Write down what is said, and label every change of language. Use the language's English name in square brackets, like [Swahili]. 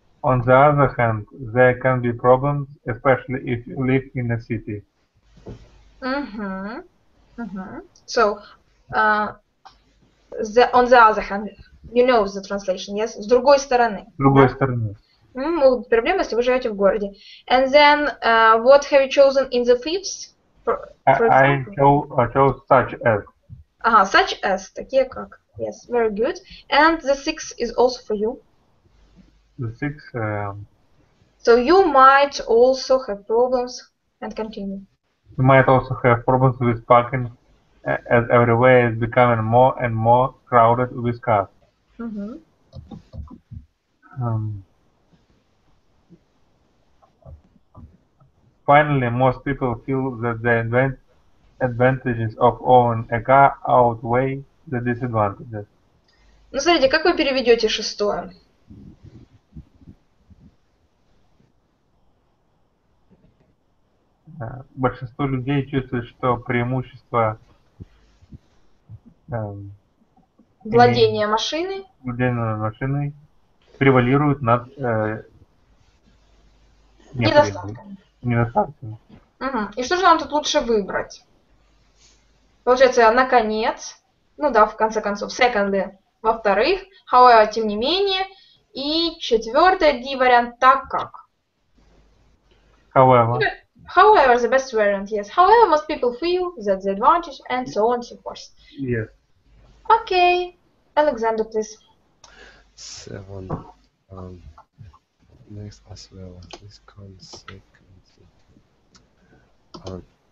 [English] On the other hand, there can be problems, especially if you live in a city. Mm-hmm. Mm-hmm. So, on the other hand, you know the translation, yes? [Russian] С другой стороны. С другой стороны. Могут быть проблемы, если вы живете в городе. [English] And then, what have you chosen in the fifth? I chose such as. Ага, such as, [Russian] такие как. [English] Yes, very good. And the sixth is also for you. The sixth. So you might also have problems and continue. You might also have problems with parking, as everywhere is becoming more and more crowded with cars. Mm-hmm. Finally, most people feel that the advantages of owning a car outweigh the disadvantages. [Russian] Ну, смотрите, как вы переведете шестое? Большинство людей чувствует, что преимущество владения машиной превалирует над недостатками. Угу. И что же нам тут лучше выбрать? Получается, наконец, ну да, в конце концов, секонды, во-вторых, however, тем не менее, и четвертый D вариант, так как. [English] However. However, the best variant, yes. However, most people feel that the advantage, and so on, and so forth. Yes. Okay. Alexander, please. Seven. Next as well. This concept.